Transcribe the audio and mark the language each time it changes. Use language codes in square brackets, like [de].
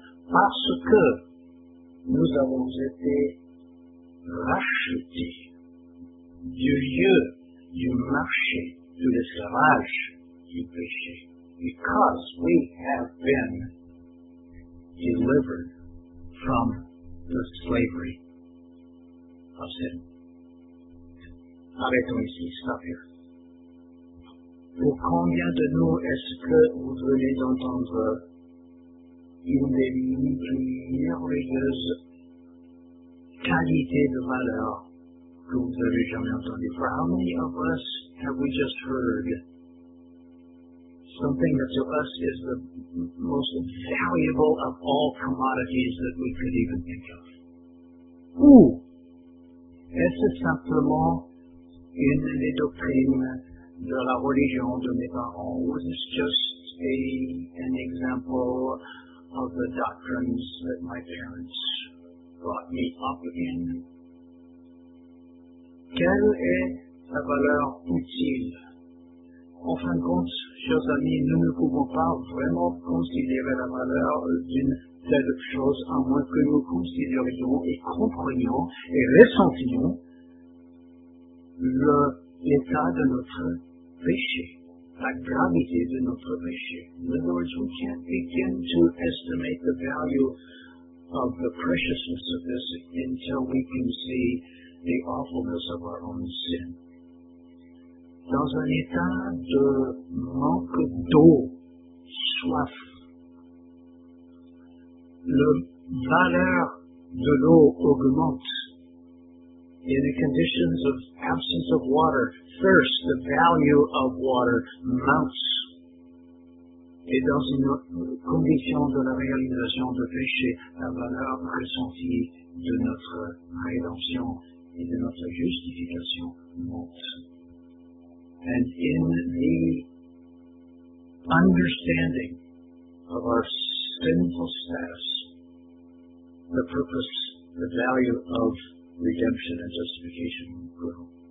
[fr] Parce que nous avons été rachetés du lieu, du marché, de l'esclavage, du péché. [en] Because we have been delivered from the slavery of sin. [fr] Arrêtons ici, [en] stop here. [fr] Pour combien de nous est-ce que vous venez d'entendre une des merveilleuses qualités de valeur que vous avez jamais entendu? [en] For how many of us have we just heard something that to us is the most valuable of all commodities that we could even think of? Ooh! [fr] Est-ce simplement une des doctrines de la religion de mes parents, ou est-ce juste un exemple [en] of the doctrines that my parents brought me up in? [fr] Quelle est sa valeur utile? En fin de compte, chers amis, nous ne pouvons pas vraiment considérer la valeur d'une telle chose à moins que nous considérions et comprenions et ressentions l'état de notre péché, la gravité de notre péché. [en] In other words, we can't begin to estimate the value of the preciousness of this until we can see the awfulness of our own sin. [fr] Dans un état de manque d'eau, soif, la valeur de l'eau augmente. [en] In the conditions of absence of water, thirst, the value of water mounts. [fr] Et dans une condition de la réalisation de péché, la valeur ressentie de notre rédemption et de notre justification monte. [en] And in the understanding of our sinful status, the purpose, the value of redemption and justification grow.